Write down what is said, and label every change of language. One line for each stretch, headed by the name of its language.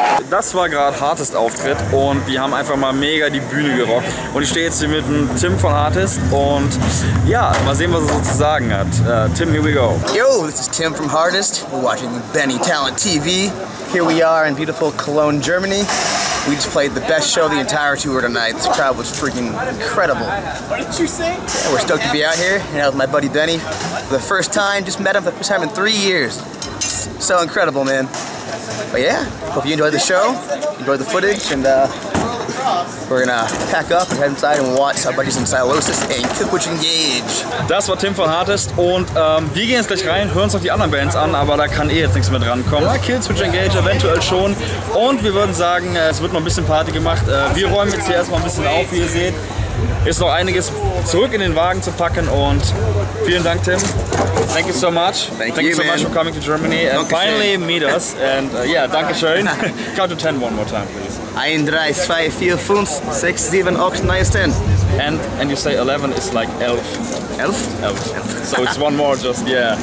German: Das war gerade Hartest Auftritt und wir haben einfach mal mega die Bühne gerockt. Und ich stehe jetzt hier mit dem Tim von Hartest und ja, mal sehen, was er so zu sagen hat.
English: Tim, here we go. Yo, this is Tim from Hartest. We're watching Benny Talent TV. Here we are in beautiful Cologne, Germany. We just played the best show of the entire tour tonight. This crowd was freaking incredible. What did you say? Yeah, we're stoked to be out here and out with my buddy Benny. For the first time, just met him for the first time in 3 years. So incredible, man. But yeah, hope you enjoyed the show, enjoyed the footage, and we're gonna pack up and head inside and watch our buddies in Silosis and Kipwich Engage.
German: Das war Tim von Hartest und wir gehen jetzt gleich rein, hören uns noch die anderen Bands an, aber da kann eh jetzt nichts mehr dran kommen. Ja, Kipwich Engage eventuell schon und wir würden sagen, es wird noch ein bisschen Party gemacht. Wir räumen jetzt hier erstmal ein bisschen auf, wie ihr seht. Ist noch einiges zurück in den Wagen zu packen und vielen Dank, Tim.
English: Thank you so much. Thank you so much for coming to Germany and finally meet us. And yeah,
German: danke schön.
English: Count to 10 one more time, please. 1, 3, 2, 4, 5, 6, 7, 8, 9, 10. And you say 11 is like 11. 11? 11. So it's one more just, yeah.